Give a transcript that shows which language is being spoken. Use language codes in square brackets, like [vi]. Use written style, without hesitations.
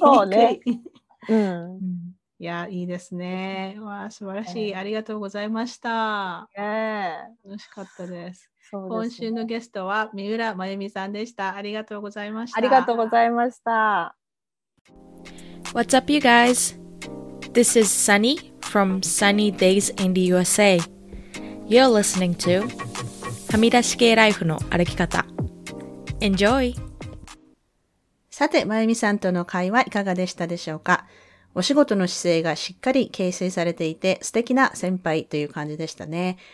[ja] くい。そうね、うん、いやいいですね、わ素晴らしい、ありがとうございました。楽しかったです。そうですね、今週のゲストは三浦真由美さんでした。ありがとうございました。ありがとうございました。 [en] What's up, you guys? This is Sunny from Sunny Days in the USA. You're listening to はみ出し系ライフの歩き方。 Enjoy! [ja] さて、まゆみさんとの会話いかがでしたでしょうか？お仕事の姿勢がしっかり形成されていて素敵な先輩という感じでしたね。